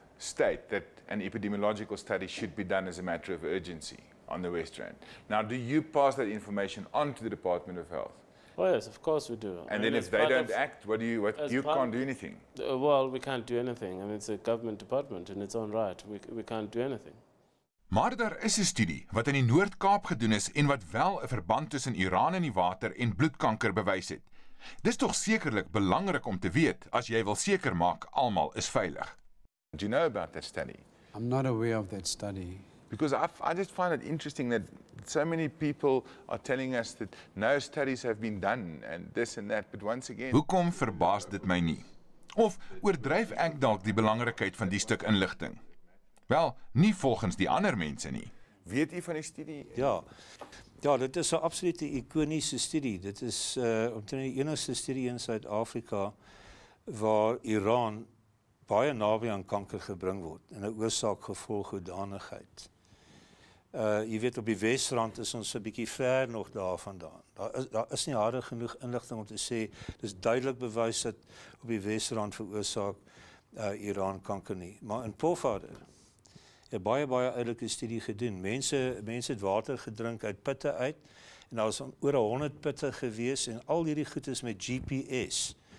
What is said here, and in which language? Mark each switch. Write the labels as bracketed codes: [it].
[en] state that an epidemiological study should be done as a matter of urgency on the West Rand. Now, do you pass that information on to the Department of Health? Oh, yes, of course we do. And I mean, then if they don't act, what do you, you can't do anything? Well, we can't do anything. I mean, it's a government department in its own right. We can't do anything. [af] Maar daar is 'n studie wat in die Noord-Kaap gedoen is en wat wel 'n verband tussen uraan in die water en bloedkanker bewys het. Dis tog sekerlik belangrik om te weet as jy wil seker maak almal is veilig. [en] Do you know about that study? I'm not aware of that study. Because I just find it interesting that so many people are telling us that no studies have been done and this and that, but once again. [af] Hoekom verbaas dit my nie? Of oordryf ek dalk die belangrikheid van die stuk inligting? Wel, nie volgens die ander mense nie. Weet jy van die studie? Ja. Ja, dit is 'n absolute ikoniese studie. Dit is omtrent die enigste studie in Suid-Afrika waar uraan baie naby aan kanker gebring word en 'n oorsaak gevolg hoedanigheid. Jy weet op die Wesrand is ons 'n bietjie ver nog daarvandaan. Daar is nie harde genoeg inligting om te sê dis duidelik bewys dat op die Wesrand veroorsaak uraan kanker nie, maar in Pofadder het baie eerlike studie gedoen. Mense het water gedrink uit putte uit en daar was oor 100 putte gewees en al hierdie goed is met GPS.